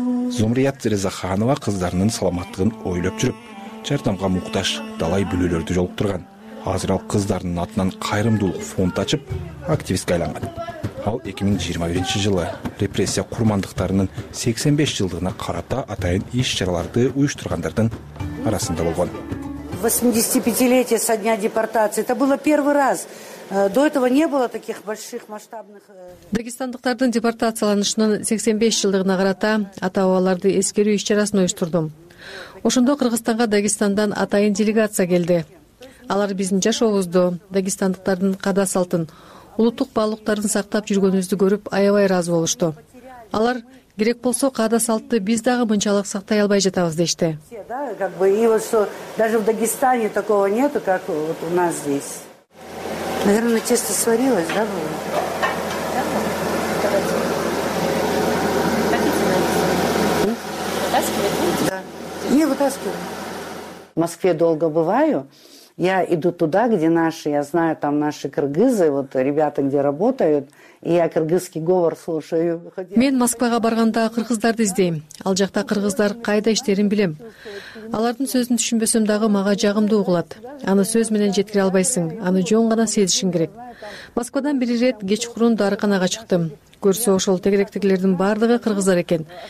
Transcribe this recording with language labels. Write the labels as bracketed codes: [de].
[ky] Зумрият Резаханова кыздарынын саламаттыгын ойлоп жүрүп, жардамга муктаж далай бүлөлөрдү жолуктурган. Азыр ал кыздарынын атынан кайрымдуулук фонд ачып, активистке айланган. Ал 2021 жылы репрессия курмандыктарынын 85 жылдыгына карата атайын иш-чараларды уюштургандардын арасында болгон. [ru] 85-летие со дня депортации. Это было первый раз. До этого не было таких больших масштабных. [ky] Дагестандыктардын депортацияланышынын 85 жылдыгына карата ата-бабаларды эскерүү иш-чарасын уюштурдум. Ошондо Кыргызстанга Дагестандан атайын делегация келди. Алар биздин жашообузду, дагестандыктардын када салтын, улуттук баалуулуктарын сактап жүргөнүбүздү көрүп аябай ыраазы болушту. Алар керек болсо каада салтты биз дагы мынчалык сактай албай жатабыз дешти. [ru] Да, как бы и вот что даже в Дагестане такого нету, как вот у нас здесь. Наверное, тесто сварилось, да, было? Да. Вытаскивать? Да. Не вытаскиваю. В Москве долго бываю. Я иду туда, где наши, я знаю, там наши кыргызы, вот ребята, где работают. И я кыргызский говор слушаю. [ky] Мен Москвага барганда кыргыздарды издейм. Ал жакта кыргыздар кайда иштерин билем. Алардын сөзүн түшүнбөсөм дагы мага жагымдуу угулат. Аны сөз менен жеткире албайсың, аны жөн гана сезишиң керек. Москвадан бир ирет кечкурун дарыканага чыктым. Көрсө ошол тегеректегилердин баардыгы кыргыздар экен.